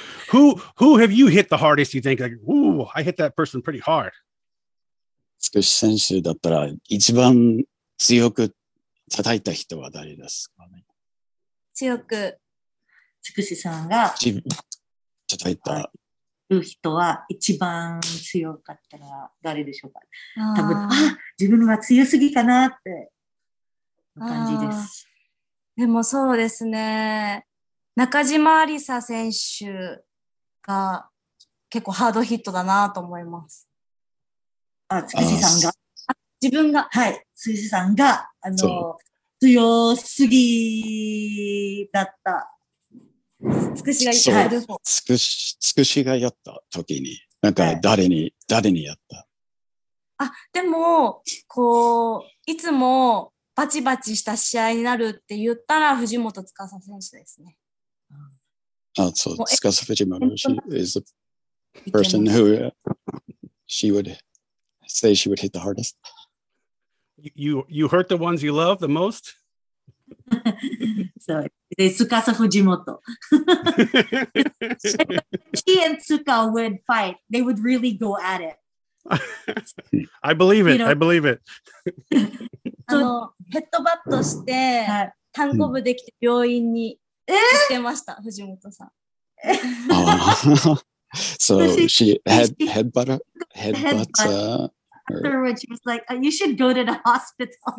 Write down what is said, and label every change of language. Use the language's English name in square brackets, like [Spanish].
[English] who have you hit the hardest, you think? Like, ooh, I hit that person pretty hard. [Japanese] 少し選手だったら一番強く叩いた人は誰ですか、ね、強く少しさんが叩いた人は一番強かったら誰でしょうか。多分自分は強すぎかなって感じです。でもそうですね、中島ありさ選手が結構ハードヒットだなと思います。あ、つくしさんが、あ、自分が、はい、つくしさんが強すぎだった、つくしがやった、はい、つくしがやった時になんか誰に、はい、誰にやった。あ、でもこういつもバチバチした試合になるって言ったら藤本司選手ですね。あ、そう、司選手も、 [English] she is the person who she would say she would hit the hardest. You hurt the ones you love the most? [Japanese] そう、で、司藤本。 [English] She and Tsuka would fight. They would really go at it. I believe it. I believe it. [Japanese] ヘッドバットしてタンコブできて病院に行ってました、藤本さん。 [English] So she headbutt. Afterwards, she was like, "You should go to the hospital."